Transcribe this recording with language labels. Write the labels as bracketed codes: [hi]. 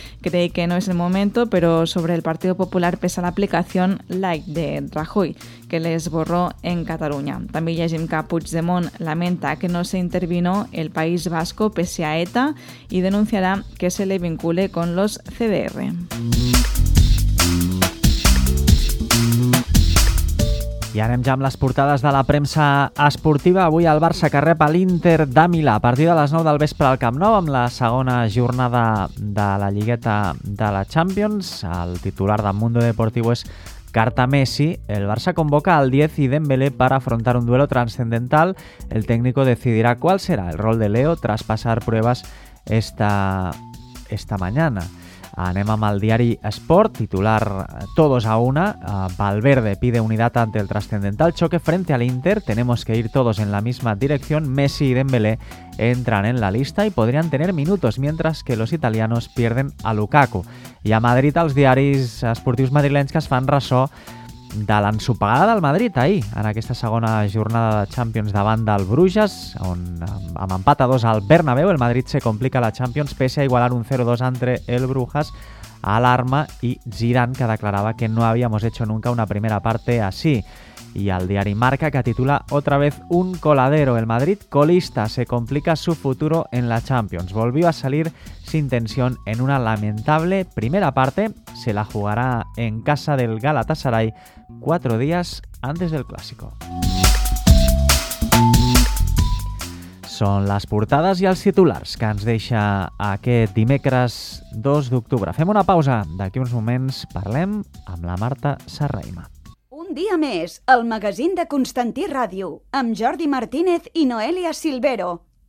[es] Cree que no es el momento, pero sobre el Partido Popular pesa la aplicación light de Rajoy, que les borró en Cataluña. También llegim que Puigdemont lamenta que no se intervino el País Vasco pese a ETA y denunciará que se le vincule con los CDR. [ca] I anem ja amb les portades de la premsa esportiva. Avui el Barça que rep a l'Inter de Milà a partir de les 9 del vespre al Camp Nou amb la segona jornada de la Lligueta de la Champions. El titular de Mundo Deportivo és [es] Carta Messi. El Barça convoca al 10 y Dembélé para afrontar un duelo trascendental. El técnico decidirá cuál será el rol de Leo tras pasar pruebas esta mañana. [ca] Anem amb el diari Sport, titular Todos a una. [es] Valverde pide unidad ante el trascendental choque frente al Inter. Tenemos que ir todos en la misma dirección. Messi y Dembélé entran en la lista y podrían tener minutos, mientras que los italianos pierden a Lukaku. [ca] I a Madrid, els diaris esportius madrilenys que es fan ressò de l'ensopegada del Madrid ahir, en aquesta segona jornada de Champions davant del Bruges, on amb empat a 2 al Bernabéu, [es] el Madrid se complica la Champions pese a igualar un 0-2 entre el Brujas, [ca] Alarma i Zidane, que declarava [es] que no habíamos hecho nunca una primera parte así. Y [ca] al diari [es] Marca, que titula otra vez un coladero. El Madrid, colista, se complica su futuro en la Champions. Volvió a salir sin tensión en una lamentable primera parte. Se la jugará en casa del Galatasaray 4 días antes del Clásico. [ca] Són les portades i els titulars que ens deixa aquest dimecres 2 d'octubre. Fem una pausa. D'aquí uns moments parlem amb la Marta Serraima. Un dia més, el magazín de Constantí Ràdio, amb Jordi Martínez i Noelia Silvero.